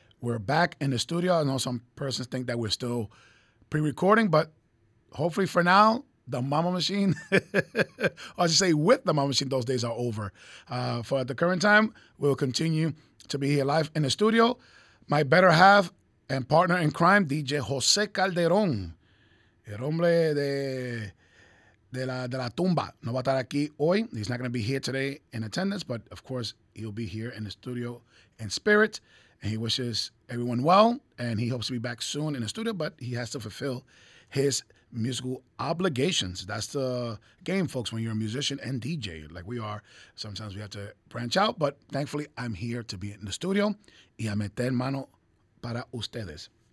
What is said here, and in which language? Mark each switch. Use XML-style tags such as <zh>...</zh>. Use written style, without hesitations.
<en>We're back in the studio. I know some persons think that we're still pre-recording, but hopefully for now, the Mambo Machine, or I should say with the Mambo Machine, those days are over. For the current time, we'll continue to be here live in the studio. My better half and partner in crime, DJ José Calderón.</en> <es>El hombre de la tumba no va a estar aquí hoy.</es> <en>He's not going to be here today in attendance, but of course, he'll be here in the studio in spirit. And he wishes everyone well, and he hopes to be back soon in the studio, but he has to fulfill his musical obligations. That's the game, folks, when you're a musician and DJ. Like we are, sometimes we have to branch out, but thankfully, I'm here to be in the studio</en> <es>y a meter mano para ustedes.</es>